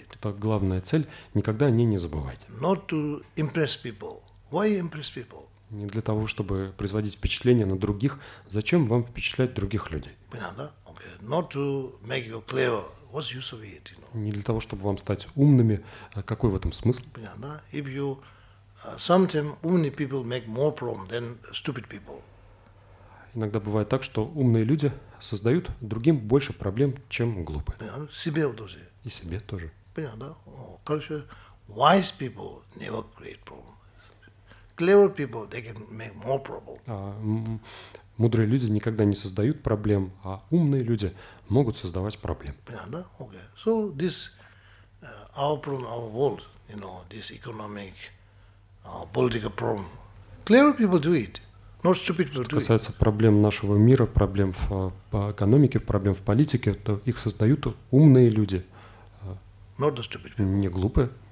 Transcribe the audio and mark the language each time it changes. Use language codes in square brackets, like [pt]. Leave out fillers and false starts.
[ru] это главная цель, никогда о ней не забывайте. [en] Not to impress people. Why impress people? [ru] Не для того, чтобы производить впечатление на других. Зачем вам впечатлять других людей? Понятно? [en] Okay. Not to make you clever. What's use of it, you know? [ru] Не для того, чтобы вам стать умными. Какой в этом смысл? Понятно? [en] If you sometimes [ru] умные [en] people make more problems than stupid people. [ru] Иногда бывает так, что умные люди создают другим больше проблем, чем глупые. Себе тоже. И себе тоже. Понятно, да? Короче, [en] wise people never create problems. Clever people, they can make more problems. [ru] Мудрые люди никогда не создают проблем, а умные люди могут создавать проблем. Понятно, да? Okay. [en] So this our problem, our world, you know, this economic, political problem. Clever people do it. [ru] Что касается проблем нашего мира, проблем в экономике, проблем в политике, то их создают умные люди, не глупые.